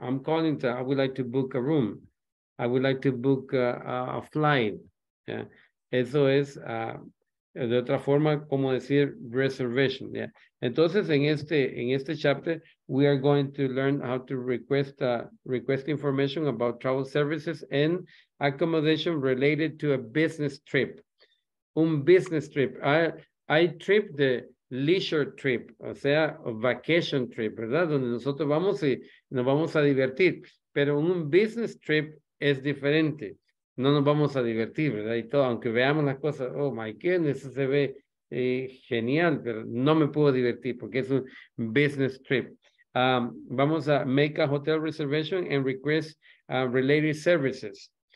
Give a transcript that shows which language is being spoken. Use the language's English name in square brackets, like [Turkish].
[English] I'm calling to, I would like to book a room. I would like to book a flight. Yeah. [Spanish] Eso es, de otra forma, como decir reservation. [English] Yeah. [Spanish] Entonces, en este [English] chapter, we are going to learn how to request information about travel services and accommodation related to a business trip. Un business trip. I trip the leisure trip, o sea, vacation trip, ¿verdad? [Spanish] Donde nosotros vamos y nos vamos a divertir. Pero un business trip es diferente. No nos vamos a divertir, ¿verdad? Y todo, aunque veamos las cosas, [English] oh my goodness, [Spanish] eso se ve genial, pero no me puedo divertir porque es un business trip. Vamos a [English] make a hotel reservation and request related services.